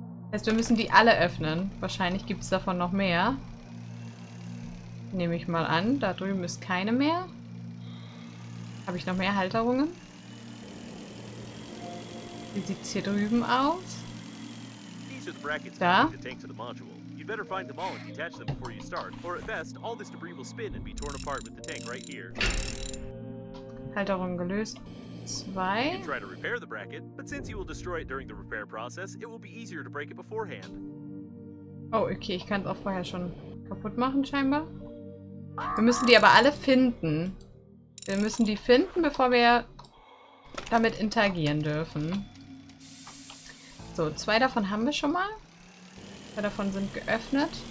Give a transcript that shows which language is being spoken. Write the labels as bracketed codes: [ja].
[de] Das heißt, wir müssen die alle öffnen. Wahrscheinlich gibt es davon noch mehr. Nehme ich mal an. Da drüben ist keine mehr. Habe ich noch mehr Halterungen? Wie sieht es hier drüben aus? Da. [en] You'd better find them all and detach them before you start. Or at best, all this debris will spin and be torn apart with the tank right here. [de] Halterung gelöst. Zwei. [en] You can try to repair the bracket, but since you will destroy it during the repair process, it will be easier to break it beforehand. [de] Oh, okay, ich kann es auch vorher schon kaputt machen, scheinbar. Wir müssen die aber alle finden. Wir müssen die finden, bevor wir damit interagieren dürfen. So, zwei davon haben wir schon mal. Zwei davon sind geöffnet.